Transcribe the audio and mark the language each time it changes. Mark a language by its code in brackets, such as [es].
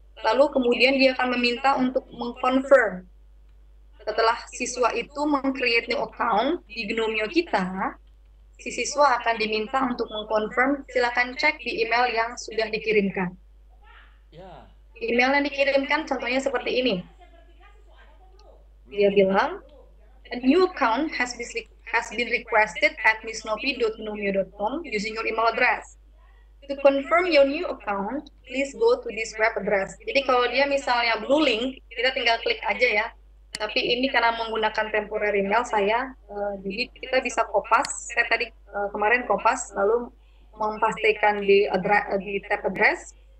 [id] Lalu kemudian dia akan meminta untuk mengconfirm. Setelah siswa itu meng-create new account di Gnomeo kita, si siswa akan diminta untuk mengkonfirm, silakan cek di email yang sudah dikirimkan. Email yang dikirimkan contohnya seperti ini. Dia bilang, [en] a new account has been requested at missnopi.gnomeo.com using your email address. To confirm your new account, please go to this web address. [id] Jadi kalau dia misalnya blue link, kita tinggal klik aja ya. Tapi ini karena menggunakan temporary email saya, jadi kita bisa kopas. Saya tadi kemarin kopas, lalu memastikan di address, di tab address.